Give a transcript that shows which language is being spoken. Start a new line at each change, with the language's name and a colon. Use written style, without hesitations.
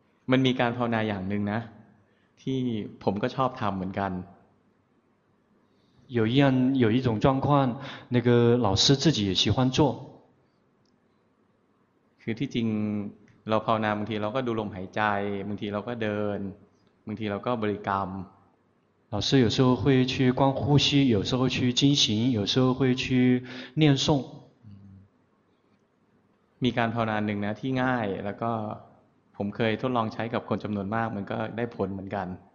Thai: มันมีการภาวนาอย่างหนึ่งนะที่ผมก็ชอบทำเหมือนกัน
Chinese: 有一种状况那个老师自己也喜欢做
Thai: คือที่จริงเราภาวนาบางทีเราก็ดูลมหายใจบางทีเราก็เดินบางทีเราก็บริกรรม
Chinese: 老师有时候会去观呼吸有时候去精行有时候会去念诵
Thai: มีการภาวนาหนึ่งนะที่ง่ายแล้วก็ผมเคยทดลองใช้กับคนจำนวนมากมันก็ได้ผลเหมือนกัน